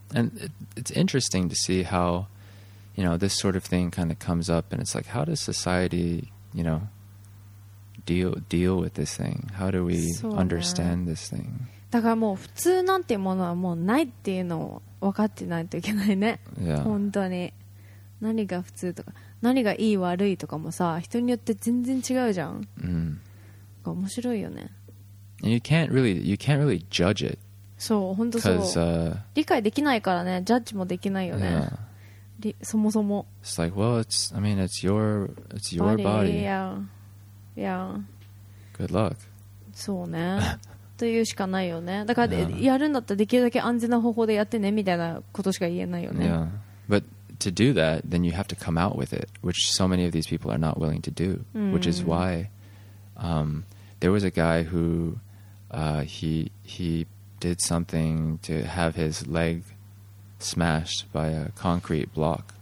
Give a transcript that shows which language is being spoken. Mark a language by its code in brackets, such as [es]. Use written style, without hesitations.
[en] And it's interesting to see how, you know, this sort of thing kind of comes up and it's like, how does society, you know, deal with this thing? How do we understand this thing? [ja] だからもう普通なんてものはもうないっていうのを分かってないといけないね。 [en] Yeah. [ja] 本当に。何が普通とか、何がいい悪いとかもさ、人によって全然違うじゃん。うん。面白いよね。 [en] And you can't really judge it. [ja] そう本当そう理解できないからねジャッジもできないよね、yeah. そもそも [en] It's like well it's your body yeah yeah good luck [ja] そうねというしかないよねだから、yeah. やるんだったらできるだけ安全な方法でやってねみたいなことしか言えないよね [en] yeah but to do that then you have to come out with it which so many of these people are not willing to do、which is why there was a guy who he did something to have his leg smashed by a concrete block.